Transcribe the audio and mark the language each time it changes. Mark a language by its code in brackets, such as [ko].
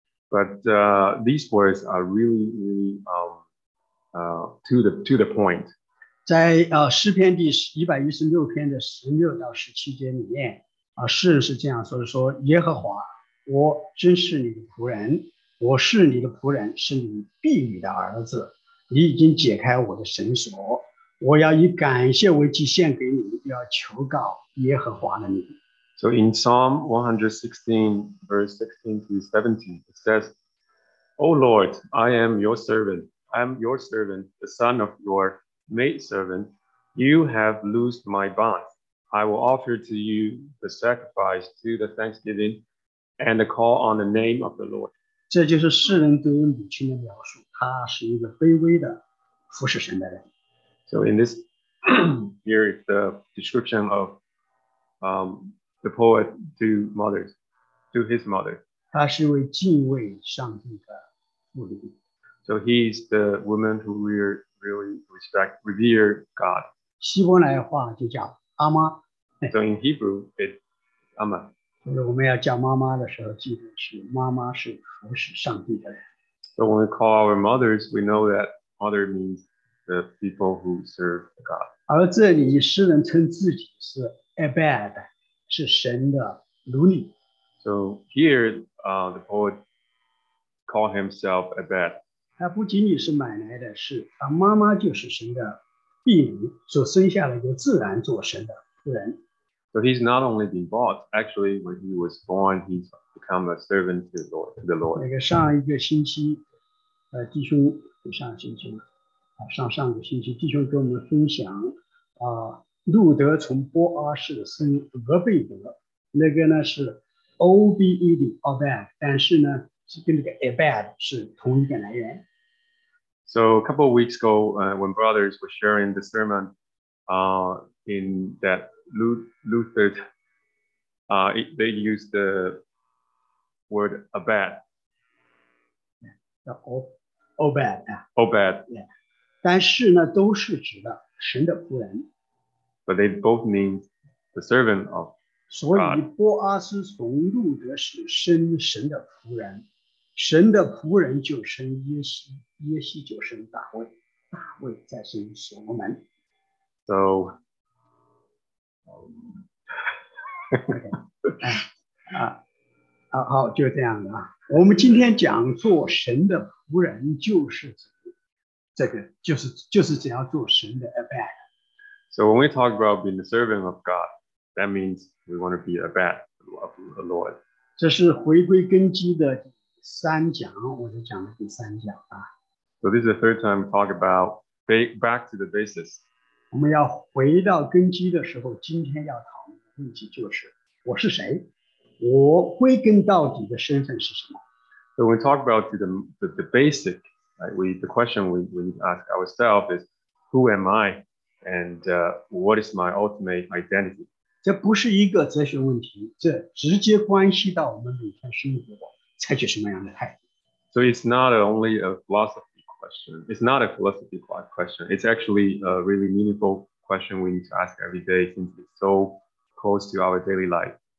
[en] But these words are really, really to the point. [zh] 在诗篇第116篇的16到17节里面，诗人是这样说的，说耶和华，我真是你的仆人，我是你的仆人，是你婢女的儿子，你已经解开我的绳索，我要以感谢为祭献给你，要求告耶和华的名。 [en] So in Psalm 116, verse 16 to 17, it says, O Lord, I am your servant. I am your servant, the son of your maidservant. You have loosed my bonds. I will offer to you the sacrifice to the thanksgiving and the call on the name of the Lord. [zh] 这就是世人对于母亲的描述，她是一个卑微的服侍神的人。 [en] So in this, here is the description of, the poet to his mother. [zh] 她是一位敬畏上帝的妇女。 [en] So he is the woman who really revere God. [zh] 希伯来话就叫阿妈。 [en] So in Hebrew, it's 阿妈。 [zh] 所以我们要叫妈妈的时候，记得是妈妈是服侍上帝的人。 [en] So when we call our mothers, we know that mother means the people who serve God. [zh] 而这里诗人称自己是 Abed。是神的奴隶。 [en] So here, the poet called himself Abed. [zh] 他不仅仅是买来的，是他妈妈就是神的婢女，所生下来就自然做神的仆人。 [en] So he's not only been bought. Actually, when he was born, he's become a servant to the Lord. [zh] 那个上一个星期，弟兄上星期嘛，上上个星期，弟兄跟我们分享路德从波阿士生俄贝德，那个呢是 Obed Obed， 但是呢是跟那个 Abed 是同一个来源。 [en] So a couple of weeks ago, when brothers were sharing the sermon, in that Luther, they used the word Abed. Obed. Obed. Yeah. [zh] 但是呢，都是指的神的仆人。 [en] But they both mean the servant of God. [zh] 所以波阿斯从路德时生神的仆人，神的仆人就生耶西，耶西就生大卫，大卫再生所罗门。 [en] So, [zh] okay. 好，就这样的。我们今天讲做神的仆人，就是指这个，就是只要做神的 abad。 [en] So when we talk about being the servant of God, that means we want to be abad of the Lord. [zh] 这是回归根基的三讲，我就讲了第三讲啊。 [en] So this is the third time we talk about back to the basis. [zh] 我们要回到根基的时候，今天要讨论的问题就是我是谁。我归根到底的身份是什么？ [en] So when we talk about the basic, right, the question we need to ask ourselves is, who am I, and what is my ultimate identity? [zh] 这不是一个哲学问题，这直接关系到我们每天生活采取什么样的态度。 [en] So it's not only a philosophy question. It's not a philosophy question. It's actually a really meaningful question we need to ask every day since it's so close to our daily life.